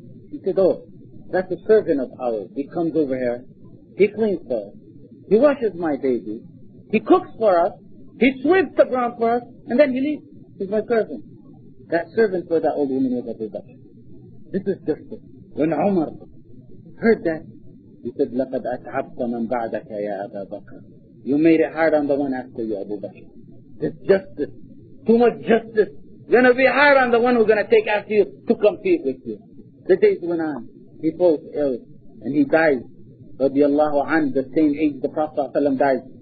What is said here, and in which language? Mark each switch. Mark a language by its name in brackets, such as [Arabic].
[English] He said, oh, that's a servant of ours. He comes over here. He cleans for us. He washes my baby. He cooks for us. He sweeps the ground for us. And then he leaves. He's my servant. That servant for that old woman was Abu Bakr. This is justice. When Umar heard that, he said, [Arabic] لَقَدْ أَتْعَبْتَ مَنْ بَعْدَكَ يَا أَبَا بَكْرٍ. [English] You made it hard on the one after you, Abu Bakr. There's justice. Too much justice. You're going to be hard on the one who's going to take after you to compete with you. The days went on. He falls ill and he dies. Radiallahu anhu, the same age the Prophet ﷺ dies.